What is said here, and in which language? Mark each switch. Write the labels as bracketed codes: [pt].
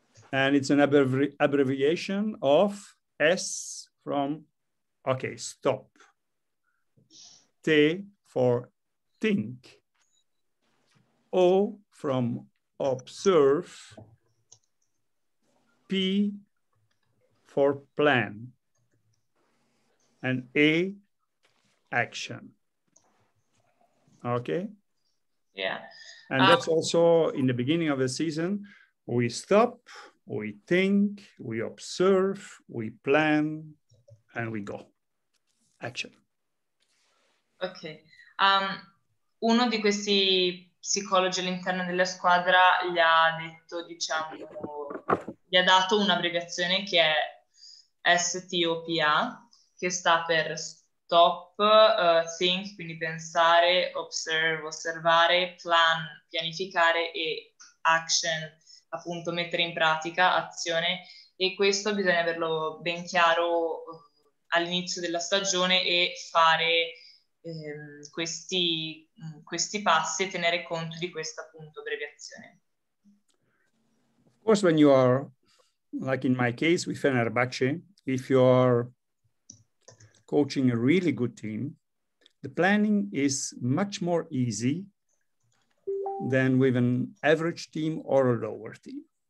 [en] And it's an abbreviation of S from, okay, stop, T for think, O from observe, P for plan, and A, action. Okay? Yeah. And that's also in the beginning of the season, we stop, we think, we observe, we plan, and we go. Action. Okay. [it] Uno di questi psicologi all'interno della squadra gli ha detto, diciamo, gli ha dato un'abbreviazione che è STOPA, che sta per stop, think, quindi pensare, observe, osservare, plan, pianificare, e action, appunto mettere in pratica, azione. E questo bisogna averlo ben chiaro all'inizio della stagione e fare questi passi e tenere conto di questa, appunto, abbreviazione. [en] Of course, when you are, like in my case with Fenerbahce, if you are coaching a really good team, the planning is much more easy than with an average team or a lower team.